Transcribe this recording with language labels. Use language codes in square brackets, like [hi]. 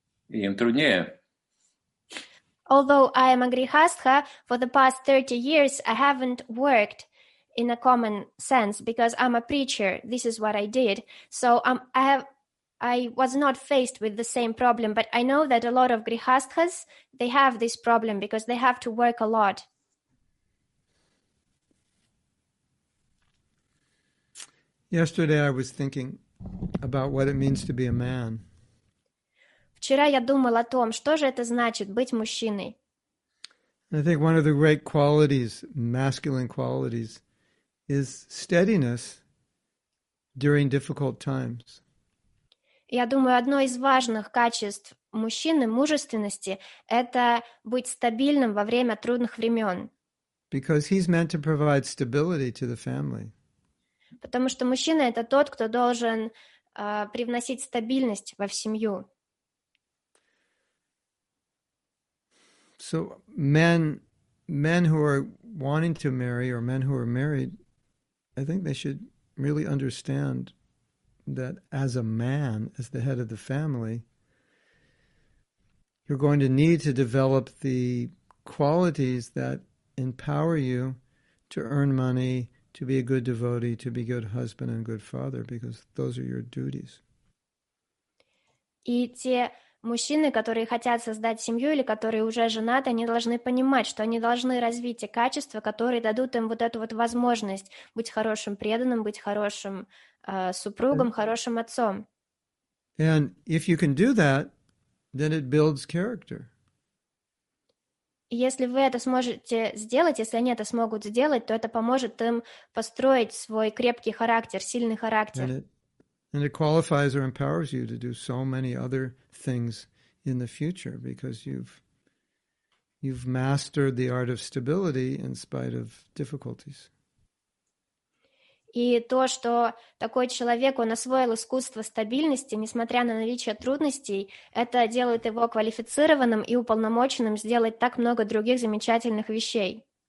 [ru] Им труднее. [en] Although I am a grihastha, for the past 30 years, I haven't worked in a common sense because I'm a preacher. This is what I did. So I was not faced with the same problem, but I know that a lot of grihasthas, they have this problem because they have to work a lot. Yesterday I was thinking about what it means to be a man. [ru] Вчера я думал о том, что же это значит быть мужчиной. [en] I think one of the great qualities, masculine qualities, is steadiness during difficult times. [ru] Я думаю, одно из важных качеств мужчины, мужественности, это быть стабильным во время трудных времен. [en] Because he's meant to provide stability to the family. [ru] Потому что мужчина — это тот, кто должен привносить стабильность во семью. [en] So men who are wanting to marry or men who are married, I think they should really understand that as a man, as the head of the family, you're going to need to develop the qualities that empower you to earn money, to be a good devotee, to be a good husband and good father, because those are your duties. [ru] И те мужчины, которые хотят создать семью или которые уже женаты, они должны понимать, что они должны развить те качества, которые дадут им вот эту вот возможность быть хорошим преданным, быть хорошим супругом, хорошим отцом. [en] And if you can do that, then it builds character. [ru] Если вы это сможете сделать, если они это смогут сделать, то это поможет им построить свой крепкий характер, сильный характер. [en] And it qualifies or empowers you to do so many other things in the future because you've mastered the art of stability in spite of difficulties. [ru] И то, что такой человек, он освоил искусство стабильности, несмотря на наличие трудностей, это делает его квалифицированным и уполномоченным сделать так много других замечательных вещей.